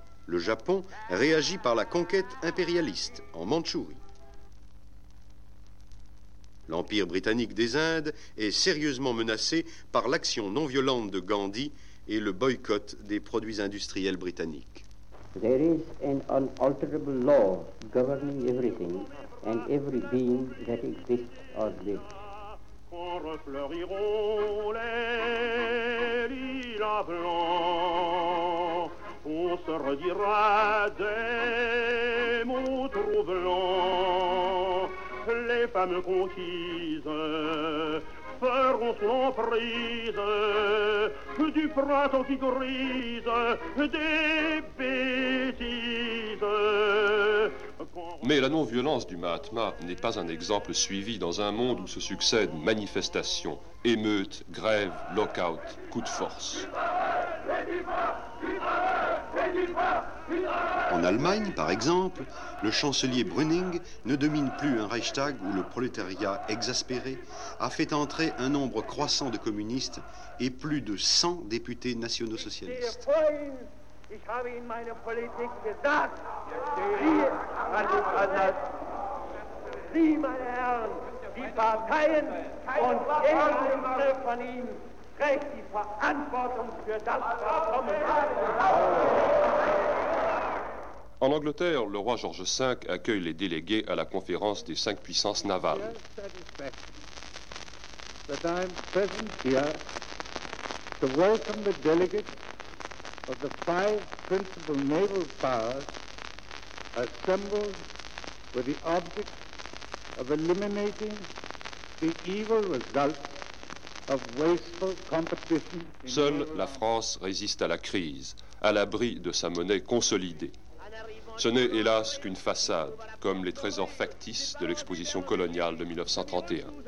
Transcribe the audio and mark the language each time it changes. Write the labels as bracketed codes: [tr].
[fr] Le Japon réagit par la conquête impérialiste en Mandchourie. L'Empire britannique des Indes est sérieusement menacé par l'action non violente de Gandhi et le boycott des produits industriels britanniques. [en] There is an unalterable law governing everything and every being that exists or lives. [fr] Quand refleuriront les lilas blancs, on se redira des mots troublants. Les femmes conquises feront son emprise du printemps qui grise des bêtises. Mais la non-violence du Mahatma n'est pas un exemple suivi dans un monde où se succèdent manifestations, émeutes, grèves, lock-out, coups de force. En Allemagne, par exemple, le chancelier Brüning ne domine plus un Reichstag où le prolétariat exaspéré a fait entrer un nombre croissant de communistes et plus de 100 députés nationaux-socialistes. [de] Ich habe in meiner Politik gesagt, wir handeln anders. Sie, meine Herren, die Parteien und Ehrenämter von Ihnen trägt die Verantwortung für das Verkommen. [fr] En Angleterre, le roi George V accueille les délégués à la conférence des cinq puissances navales. [en] That I am present here to welcome the delegates of the five principal naval powers assembled with the object of eliminating the evil results of wasteful competition. [fr] Seule la France résiste à la crise, à l'abri de sa monnaie consolidée. Ce n'est hélas qu'une façade, comme les trésors factices de l'exposition coloniale de 1931.